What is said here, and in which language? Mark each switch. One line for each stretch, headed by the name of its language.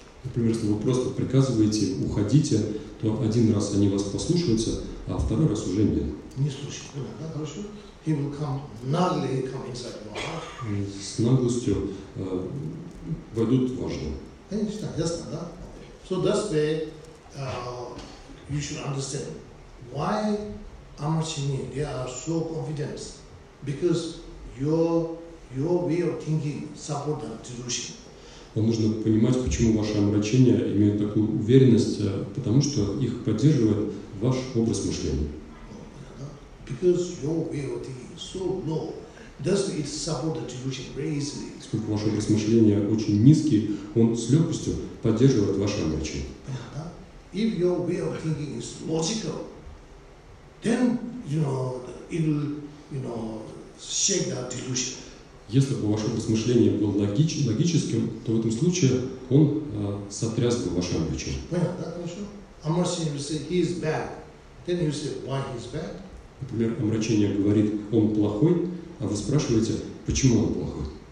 Russian: Например, если вы просто приказываете, уходите, то один раз они вас послушаются, а второй раз уже нет. Не слушайте, понятно, да? Хорошо?
English: He will come, naturally come inside your heart.
Russian: С наглостью войдут в ваш дом. Конечно, ясно, да?
English: So that's where you should understand why Amarchini, they are so confident. Because your way of thinking support the delusion.
Russian: Вам нужно понимать, почему ваше омрачение имеет такую уверенность, потому что их поддерживает ваш образ мышления.
English: Because your way of thinking is so low. Does it support the delusion very easily?
Russian: Сколько ваш образ мышления очень низкий, он с легкостью поддерживает ваше омрачение. Понятно?
English: If your way of thinking is logical, then it will shake that delusion.
Russian: Если бы ваше образ мышления был логическим, то в этом случае он сотряс бы ваше омрачение. Понятно, хорошо?
English: Amarchini will say he is bad. Then you say why he is bad?
Russian: Например, омрачение говорит, он плохой. А вы спрашиваете, почему он плохой?